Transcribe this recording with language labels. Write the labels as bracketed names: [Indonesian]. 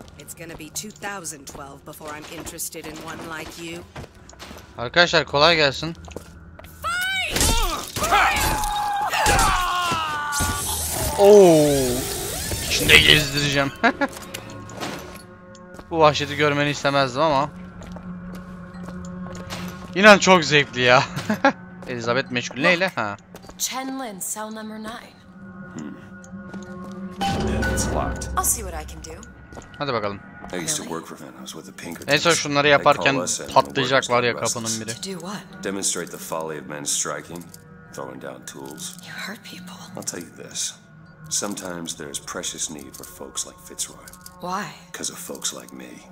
[English] It's gonna be 2012 before I'm interested in one like you. [Turkish] Arkadaşlar kolay gelsin. Oo! İçinde gezdireceğim. Bu vahşeti görmeni istemezdim ama. İnan çok zevkli ya. Elizabeth meşgul neyle? Ha. [English] Chen Lin, cell number 9. It's locked. I'll see what I can do. [Turkish] Hadi bakalım. [English] I used to work for him. I was with the Pinkertons. [Turkish] Neyse şunları yaparken patlayacak var ya kapının biri. [English] Demonstrate the folly of men striking, throwing down tools. You hurt people. I'll tell you this. Sometimes there's precious need for folks like Fitzroy. Why? Because of folks like me.